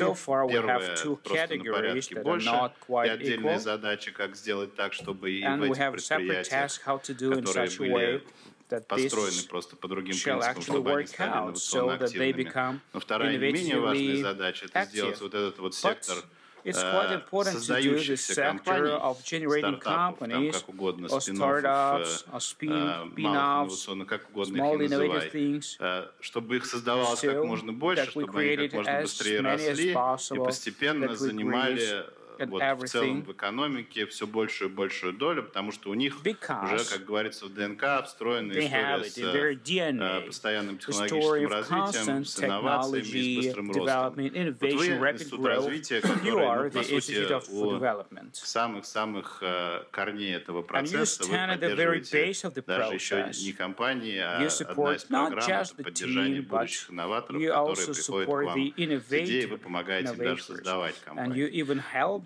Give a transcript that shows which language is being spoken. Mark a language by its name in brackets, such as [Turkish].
[Russian] Первое, просто на порядке больше, и отдельная задача, как сделать так, чтобы и в этих предприятиях, которые были построены просто по другим принципам, чтобы они стали инновационно активными. Но вторая не менее важная задача – это сделать вот этот вот сектор, [English] it's quite important to do the sector of generating companies or startups or spin-offs, small innovative things, that we created as many as possible, that we increased. [Russian] Вот в целом в экономике все большую и большую долю, потому что у них уже, как говорится, в ДНК встроена история с постоянным технологическим развитием, с инновациями и с быстрым ростом. Вот вы институт развития, который, ну, по сути, у самых-самых корней этого процесса, вы поддерживаете даже еще не компании, а одна из программ, это поддержание будущих инноваторов, которые приходят к вам с идеей, вы помогаете им даже создавать компанию.